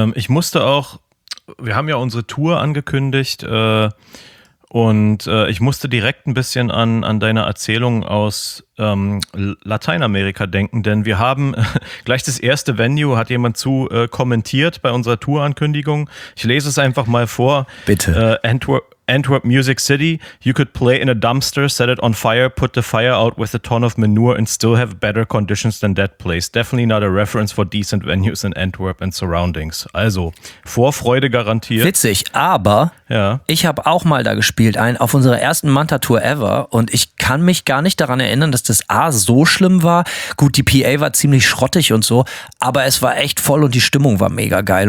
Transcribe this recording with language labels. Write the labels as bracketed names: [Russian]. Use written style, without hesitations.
[German] Ich musste auch, wir haben ja unsere Tour angekündigt und ich musste direkt ein bisschen an deine Erzählung aus Lateinamerika denken, denn wir haben gleich das erste Venue, hat jemand zu kommentiert bei unserer Tourankündigung. Ich lese es einfach mal vor. Bitte. [English] Antwerp Music City, you could play in a dumpster, set it on fire, put the fire out with a ton of manure and still have better conditions than that place. Definitely not a reference for decent venues in Antwerp and surroundings. [German] Also, Vorfreude garantiert. Witzig, aber ja. Ich habe auch mal da gespielt, auf unserer ersten Manta-Tour ever und ich kann mich gar nicht daran erinnern, dass das A so schlimm war. Gut, die PA war ziemlich schrottig und so, aber es war echt voll und die Stimmung war mega geil.